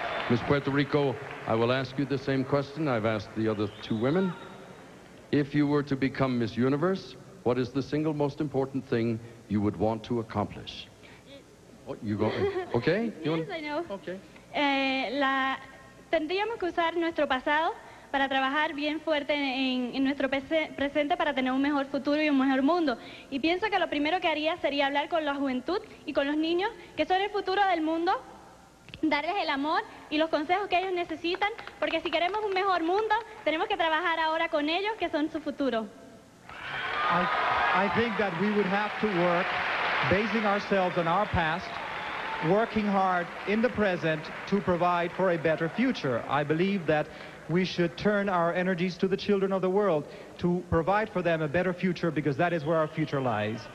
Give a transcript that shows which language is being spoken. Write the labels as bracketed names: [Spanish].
[English] Miss Puerto Rico, I will ask you the same question I've asked the other two women. If you were to become Miss Universe, what is the single most important thing you would want to accomplish? Okay? Yes, I know. Okay. [Spanish] Tendríamos que usar nuestro pasado para trabajar bien fuerte en nuestro presente para tener un mejor futuro y un mejor mundo. Y pienso que lo primero que haría sería hablar con la juventud y con los niños que son el futuro del mundo, darles el amor y los consejos que ellos necesitan, porque si queremos un mejor mundo, tenemos que trabajar ahora con ellos que son su futuro. [English] I think that we would have to work basing ourselves on our past, working hard in the present to provide for a better future. I believe that we should turn our energies to the children of the world to provide for them a better future, because that is where our future lies.